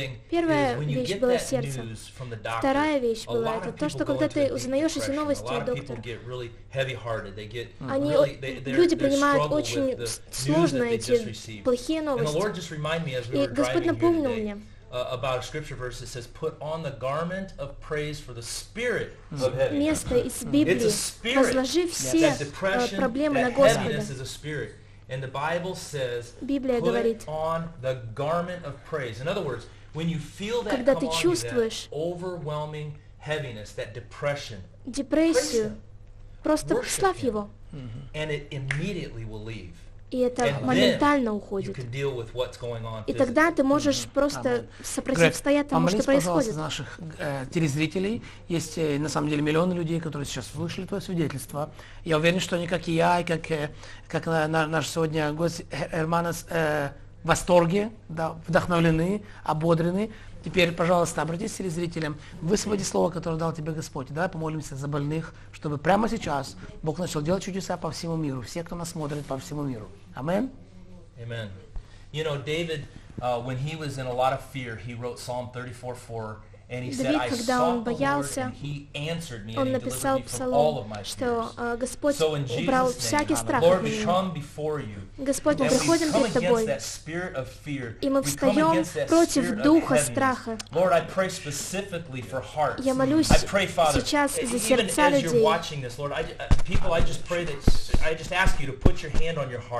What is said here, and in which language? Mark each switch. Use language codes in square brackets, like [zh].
[ru] Первая вещь была сердце. Вторая вещь была это то, что когда ты узнаешь эти новости от доктора, люди принимают очень сложно эти плохие новости. И Господь напомнил мне [en] about a scripture verse that says, put on the garment of praise for the spirit of heaviness. It's a spirit. [ru] Возложи все проблемы на Господа. [en] And the Bible says, [ru] Библия говорит, [en] put on the garment of praise. In other words, when you feel that, [ru] когда ты чувствуешь, [en] that overwhelming heaviness, that depression, [ru] депрессию, просто славь его. [en] And it immediately will leave. [ru] И это моментально уходит. И тогда ты можешь просто сопротивствовать тому, что происходит. Помолись, пожалуйста, наших телезрителей. Есть, на самом деле, миллионы людей, которые сейчас слышали твое свидетельство. Я уверен, что они, как и я, и как наш сегодня гость Эрманас, в восторге, да, вдохновлены, ободрены. Теперь, пожалуйста, обратись к телезрителям, высвободи слово, которое дал тебе Господь. Давай помолимся за больных, чтобы прямо сейчас Бог начал делать чудеса по всему миру. Все, кто нас смотрит, по всему миру. Амен. Амен. [en] You know, David, when he was in a lot of fear, he wrote Psalm 34:4. [ru] Давид, когда он боялся, он написал псалом, что Господь убрал всякий страх от меня. Господь, мы приходим перед Тобой, и мы встаем против духа страха. Я молюсь сейчас за сердца людей.